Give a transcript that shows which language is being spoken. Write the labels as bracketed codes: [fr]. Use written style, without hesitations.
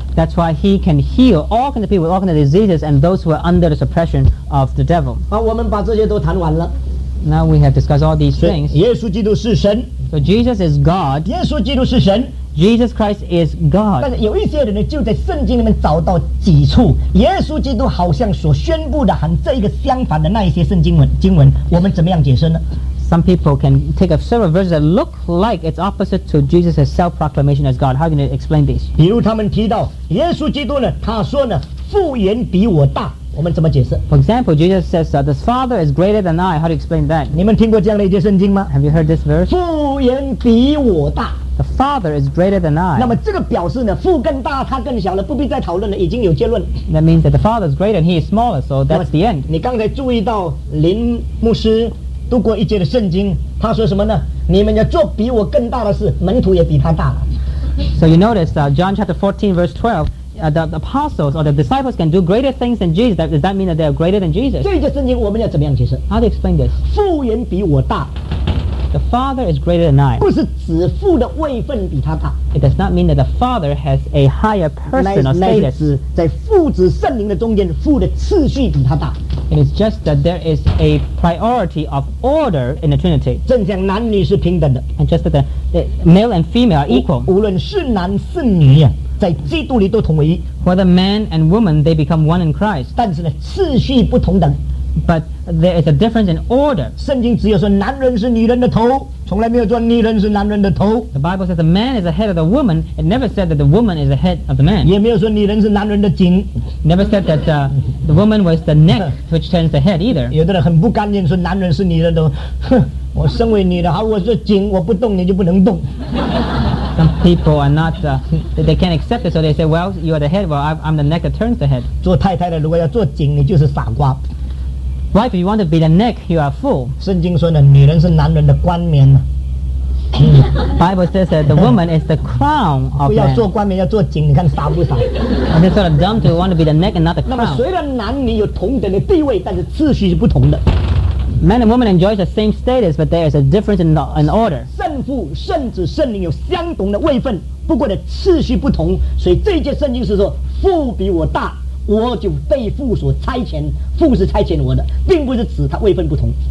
[en] That's why he can heal all kinds of people with all kinds of diseases and those who are under the suppression of the devil. [zh] 好，我们把这些都谈完了。 [en] Now we have discussed all these things. [zh] 耶稣基督是神。 [en] So Jesus is God. [zh] 耶稣基督是神。 [en] Jesus Christ is God. [zh] 但是有一些人呢，就在圣经里面找到几处耶稣基督好像所宣布的和这一个相反的那一些圣经文我们怎么样解释呢？ [en] Some people can take a several verses that look like it's opposite to Jesus' self-proclamation as God. How can you explain this? [zh] 比如他们提到耶稣基督呢，他说呢，父原比我大。我们怎么解释？ [en] For example, Jesus says that the Father is greater than I. How do you explain that? [zh] 你们听过这样的一节圣经吗？ [en] Have you heard this verse? [zh] 父原比我大。 [en] The Father is greater than I. [zh] 那么这个表示呢，父更大，他更小了，不必再讨论了，已经有结论。 [en] That means that the Father is greater and he is smaller, so that's the end. [zh] 你刚才注意到林牧师读过一节的圣经，他说什么呢？你们要做比我更大的事，门徒也比他大了。 [en] So you notice that John chapter 14 verse 12,the apostles or the disciples can do greater things than Jesus. Does that mean that they are greater than Jesus? [zh] 这一节圣经我们要怎么样解释？ [en] How do you explain this? [zh] 父原比我大。 [en] The Father is greater than I. [zh] 不是指父的位分比他大。 [en] It does not mean that the Father has a higher person or status. [zh] 乃是指在父子圣灵的中间，父的次序比他大。 [en] It is just that there is a priority of order in the Trinity. [zh] 正像男女是平等的。 [en] And just that the male and female are equal. [zh] 无论是男是女啊。在基督里都同为一。 [en] Whether man and woman, they become one in Christ. [zh] 但是呢，次序不同等。 [en] But there is a difference in order. [zh] 圣经只有说男人是女人的头，从来没有说女人是男人的头。 [en] The Bible says the man is the head of the woman. It never said that the woman is the head of the man. [zh] 也没有说女人是男人的颈。 [en] Never said that the woman was the neck which turns the head either. [zh] 有的人很不甘愿说男人是女人的，哼，我身为女的，好，我是颈，我不动你就不能动。 [en] Some people are not, they can't accept it, so they say, well, you are the head, well, I'm the neck that turns the head. [zh] 做太太的如果要做颈，你就是傻瓜。 [en] Wife, if you want to be the neck, you are a fool. [zh] 圣经说呢，女人是男人的冠冕。 [en] Bible says that the woman is the crown of man. [zh] 不要做冠冕，要做颈，你看傻不傻？ [en] And it's sort of dumb to want to be the neck and not the crown. [zh] 那么虽然男女有同等的地位，但是次序是不同的。 [en] Man and woman enjoys the same status, but there is a difference in order. [zh] 圣父、圣子、圣灵有相同的位分，不过的次序不同。所以这节圣经是说，父比我大，我就被父所差遣，父是差遣我的，并不是指他位分不同。